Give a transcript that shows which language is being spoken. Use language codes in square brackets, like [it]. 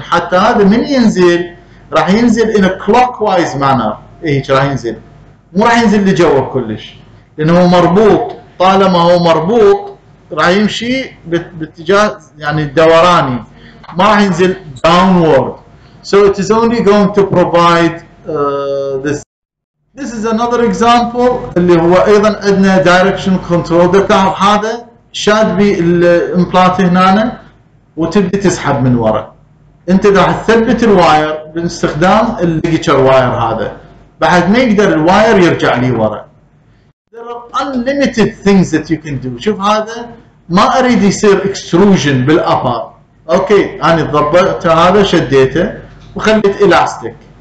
[ar] حتى هذا من ينزل راح ينزل [en] in a clockwise manner. [ar] إيش راح ينزل؟ مو راح ينزل لجوا كلش. لأنه هو مربوط. طالما هو مربوط راح يمشي باتجاه يعني دوراني. ما راح ينزل downward. [en] So it is only going to provide this. This is another example [ar] اللي هو أيضا عندنا [en] direction control. [ar] تعرف هذا شاد بالإمبلانت هنا. وتبدي تسحب من وراء انت راح تثبت الواير باستخدام الليجتشر واير هذا بعد ما يقدر الواير يرجع لي وراء [en] there are unlimited things that you can do [ar] شوف هذا ما اريد يصير اكستروجن بالأبر اوكي انا ضبطت هذا شديته وخليت الاستيك